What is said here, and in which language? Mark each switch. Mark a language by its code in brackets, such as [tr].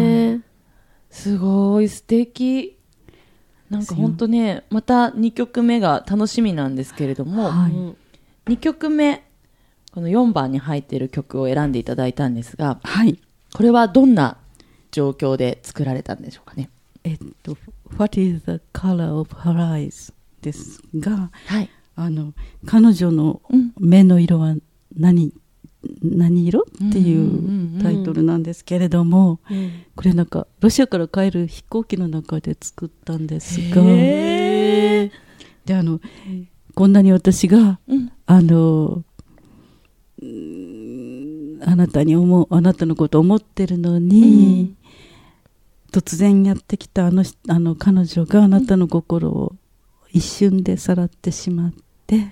[ja] はい、すごい素敵。なんか本当ね、また2曲目が楽しみなんですけれども、はい、 2曲目この4番に入っている曲を選んでいただいたんですが、はい、これはどんな状況で作られたんでしょうかね。 [en] What is the color of her eyes? [ja] ですが、はい、あの彼女の目の色は何、うん、何色っていうタイトルなんですけれども、うんうんうん、これなんかロシアから帰る飛行機の中で作ったんですが、で、あのこんなに私が、うん、あのあなたに思う、あなたのこと思ってるのに、うん、突然やってきたあの彼女があなたの心を一瞬でさらってしまって、